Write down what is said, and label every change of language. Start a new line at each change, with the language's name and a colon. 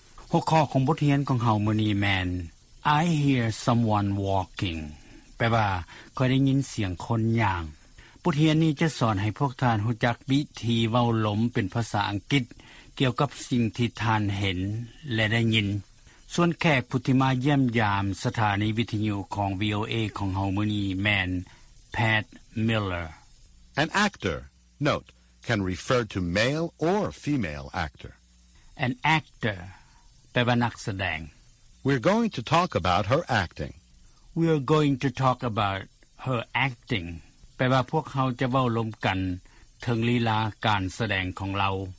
Thai: หัวข้อของบทเรียนของเฮามื้อนี้แม่น
English: I hear someone walking
Thai: แปลว่าก็ได้ยินเสียงคนย่างบทเรียนนี้จะสอนให้พวกท่านรู้จักวิธีเว้าล้มเป็นภาษาอังกฤษเกี่ยวกับสิ่งที่ท่านเห็นและได้ยินส่วนแขกผู้ที่มาเยี่ยมยามสถานีวิทยุของ VOA ของเฮามื้อนี้แม่น Pat Miller
English: An actor note can refer to male or female actor
Thai: An actorแปลว่านักแสดง
English: We're going to talk about her acting. We're going to talk about her acting.
Thai: แปลว่าพวกเขาจะเว้าล้มกันถึงลีลาการแสดงของเรา